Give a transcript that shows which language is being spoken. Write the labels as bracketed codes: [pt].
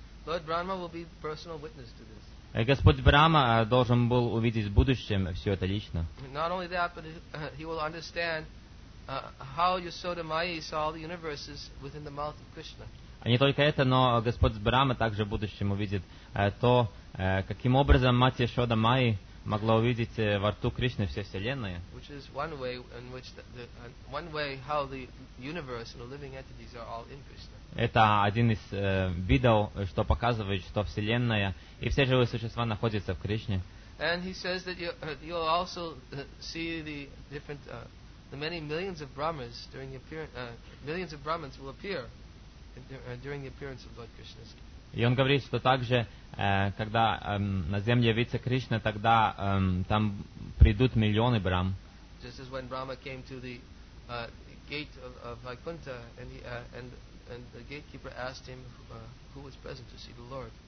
[en] Lord Brahma will be personal witness to this. [ru] Господь Брама должен был увидеть в будущем все это лично. [en] Not only that, but he will understand how Yasoda Maya saw all the universes within the mouth of Krishna. [ru] Не только это, но Господь Брама также в будущем увидит то, каким образом мать Яшода Майи могла увидеть во рту Кришны все вселенные. [en] Which is one way in which one way how the universe and the living entities are all in Krishna. [ru] Это один из видов, что показывает, что вселенная и все живые существа находятся в Кришне. [en] And he says that you'll also see the different the many millions of Brahmas during the millions of Brahmins will appear during the appearance of Lord Krishna. [ru] И он говорит, что также, когда на земле явится Кришна, тогда там придут миллионы брам. [en] Just as when Brahma came to the gate of Vaikuntha and and the gatekeeper asked him who was present to see the Lord.